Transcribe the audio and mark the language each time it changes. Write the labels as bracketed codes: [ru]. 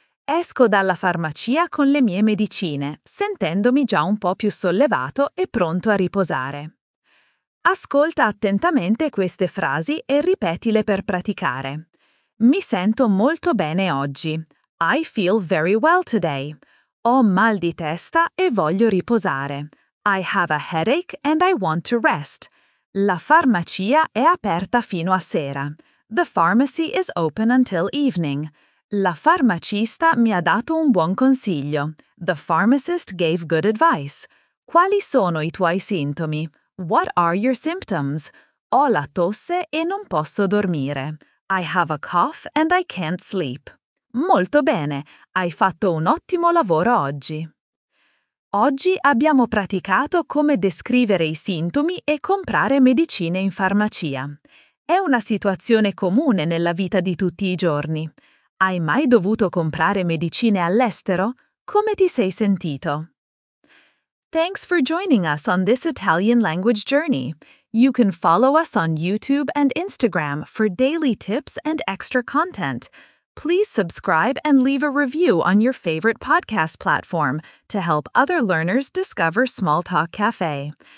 [it] Esco dalla farmacia con le mie medicine, sentendomi già un po' più sollevato e pronto a riposare. Ascolta attentamente queste frasi e ripetile per praticare. Mi sento molto bene oggi. I feel very well today. Ho mal di testa e voglio riposare. [en] I have a headache and I want to rest. [it] La farmacia è aperta fino a sera. [en] The pharmacy is open until evening. [it] La farmacista mi ha dato un buon consiglio. [en] The pharmacist gave good advice. [it] Quali sono i tuoi sintomi? What are your symptoms? Ho la tosse e non posso dormire. [en] I have a cough and I can't sleep. [it] Molto bene, hai fatto un ottimo lavoro oggi. Oggi abbiamo praticato come descrivere i sintomi e comprare medicine in farmacia. È una situazione comune nella vita di tutti i giorni. Hai mai dovuto comprare medicine all'estero? Come ti sei sentito? [en] Thanks for joining us on this Italian language journey. You can follow us on YouTube and Instagram for daily tips and extra content. Please subscribe and leave a review on your favorite podcast platform to help other learners discover Small Talk Cafe.